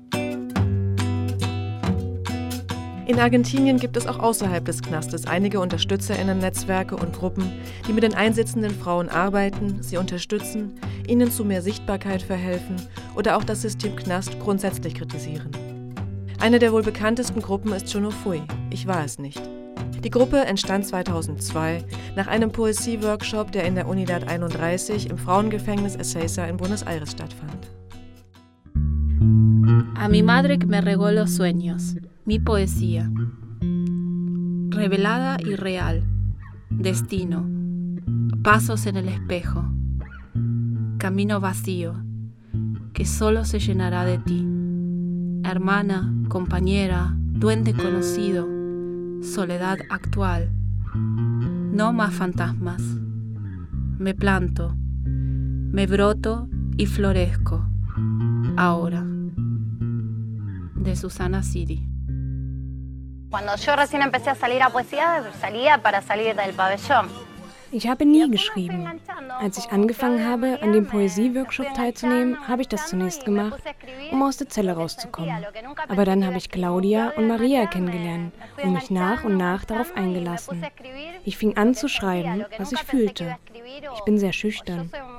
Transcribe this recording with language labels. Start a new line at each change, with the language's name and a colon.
German: In Argentinien gibt es auch außerhalb des Knastes einige UnterstützerInnen-Netzwerke und Gruppen, die mit den einsitzenden Frauen arbeiten, sie unterstützen, ihnen zu mehr Sichtbarkeit verhelfen oder auch das System Knast grundsätzlich kritisieren. Eine der wohl bekanntesten Gruppen ist Chonofui, Ich war es nicht. Die Gruppe entstand 2002 nach einem Poesie-Workshop, der in der Unidad 31 im Frauengefängnis Ezeiza in Buenos Aires stattfand.
Spanish: A mi madre que me regó los sueños. Mi poesía, revelada y real, destino, pasos en el espejo, camino vacío, que solo se llenará de ti, hermana, compañera, duende conocido, soledad actual, no más fantasmas, me planto, me broto y florezco, ahora. De Susana Siri. Cuando yo recién empecé a salir a poesía, salía para salir del pabellón.
German: Ich habe nie geschrieben. Als ich angefangen habe, an dem Poesie-Workshop teilzunehmen, habe ich das zunächst gemacht, um aus der Zelle rauszukommen. Aber dann habe ich Claudia und Maria kennengelernt und mich nach und nach darauf eingelassen. Ich fing an zu schreiben, was ich fühlte. Ich bin sehr schüchtern.